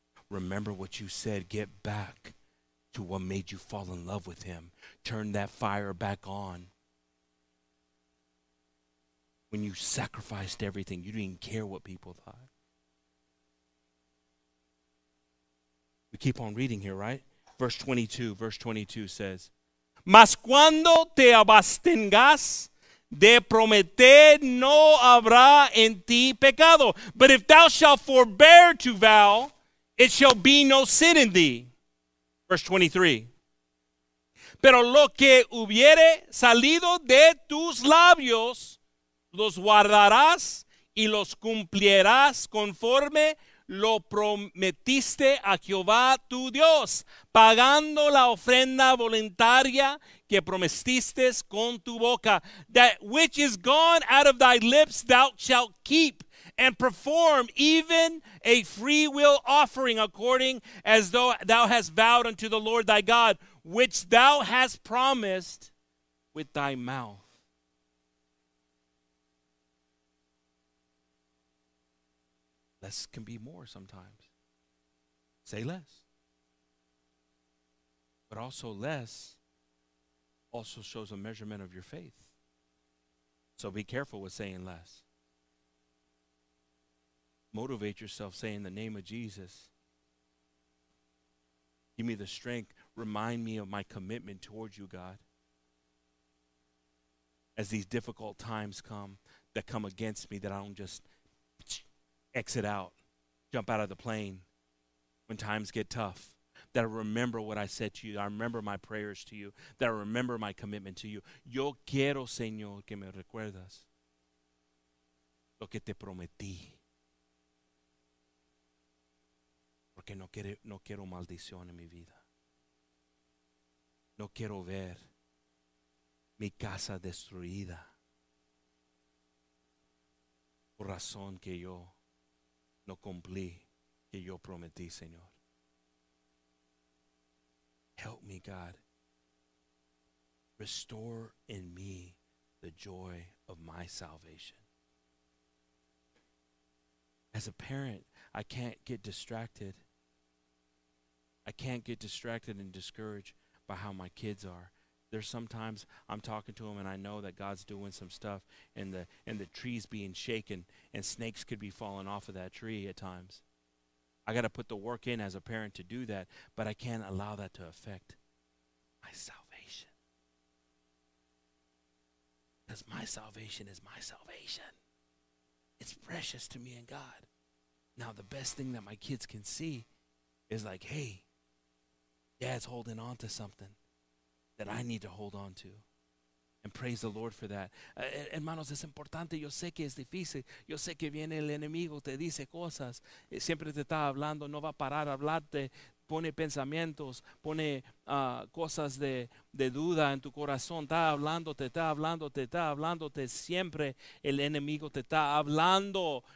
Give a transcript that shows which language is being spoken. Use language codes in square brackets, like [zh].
[en] Remember what you said. Get back to what made you fall in love with him. Turn that fire back on. When you sacrificed everything, you didn't care what people thought. We keep on reading here, right? Verse 22 says, [es] Mas cuando te abstengas de prometer no habrá en ti pecado. [en] But if thou shalt forbear to vow, it shall be no sin in thee. Verse 23. [es] Pero lo que hubiere salido de tus labios, los guardarás y los cumplirás conforme lo prometiste a Jehová tu Dios, pagando la ofrenda voluntaria que prometiste con tu boca. [en] That which is gone out of thy lips thou shalt keep and perform, even a free will offering, according as though thou hast vowed unto the Lord thy God, which thou hast promised with thy mouth. Less can be more sometimes. Say less. But also less also shows a measurement of your faith. So be careful with saying less. Motivate yourself saying the name of Jesus. Give me the strength. Remind me of my commitment towards you, God. As these difficult times come, that come against me, that I don't just exit out, jump out of the plane when times get tough, that I remember what I said to you, that I remember my prayers to you, that I remember my commitment to you. [es] Yo quiero, Señor, que me recuerdas lo que te prometí. Porque no quiero maldición en mi vida. No quiero ver mi casa destruida por razón que yo no cumplí que yo prometí, Señor. [en] Help me, God. Restore in me the joy of my salvation. As a parent, I can't get distracted. I can't get distracted and discouraged by how my kids are. There's sometimes I'm talking to him and I know that God's doing some stuff and the tree's being shaken and snakes could be falling off of that tree at times. I got to put the work in as a parent to do that, but I can't allow that to affect my salvation. Because my salvation is my salvation. It's precious to me and God. Now, the best thing that my kids can see is like, hey, Dad's holding on to something that I need to hold on to. And praise the Lord for that. [es] Hermanos, es importante. Yo sé que es difícil. Yo sé que viene el enemigo, te dice cosas. Siempre te está hablando, no va a parar a hablarte. Pone pensamientos, pone cosas de duda en tu corazón. Está hablándote siempre. El enemigo te está hablando.